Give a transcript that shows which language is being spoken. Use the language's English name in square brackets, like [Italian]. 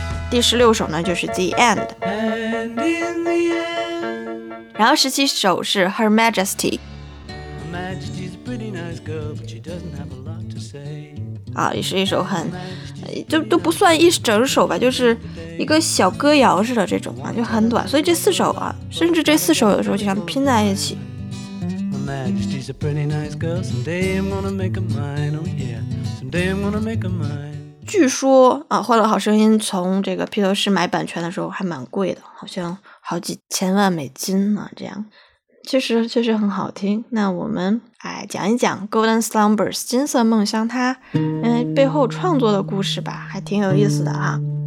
[Chinese] 第16首呢就是 The End， 然后17首是 Her Majesty， 也是一首很都不算一整首吧，就是一个小歌谣似的这种啊，就很短，所以这四首啊，甚至这四首有时候就像拼在一起。 [English] Her Majesty's a pretty nice girl. Someday I'm gonna make a mine. Oh yeah. Someday I'm gonna make a mine. [Chinese] 据说啊，欢乐好声音从这个披头士买版权的时候还蛮贵的，好像好几千万美金呢、这样。确实很好听。那我们讲一讲 Golden Slumbers 金色梦乡它背后创作的故事吧，还挺有意思的啊。